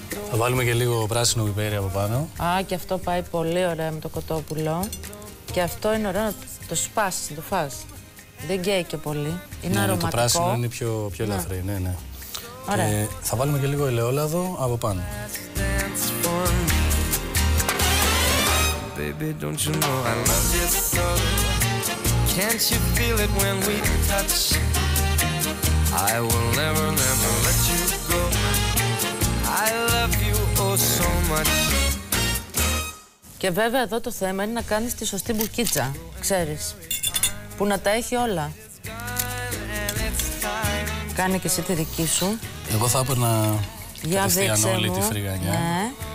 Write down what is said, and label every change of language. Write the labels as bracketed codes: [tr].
[el] Θα βάλουμε και λίγο πράσινο πιπέρι από πάνω. Α, και αυτό πάει πολύ ωραία με το κοτόπουλο. Και αυτό είναι ωραίο να το σπάσεις, να το φας. Δεν καίει και πολύ. Είναι ναι, αρωματικό. Το πράσινο είναι πιο ελαφρύ, ναι, ναι. Ωραία. Και θα βάλουμε και λίγο ελαιόλαδο από πάνω. [en] Baby, don't you know I love you so? Can't you feel it when we touch? I will never, never let you go. I love you oh so much. [el] Και βέβαια εδώ το θέμα είναι να κάνεις τη σωστή μπουκίτσα, ξέρεις, που να τα έχει όλα. Κάνε και εσύ τη δική σου. Εγώ θα έπαιρνα κατευθείαν όλη μου τη φρυγανιά. Ναι.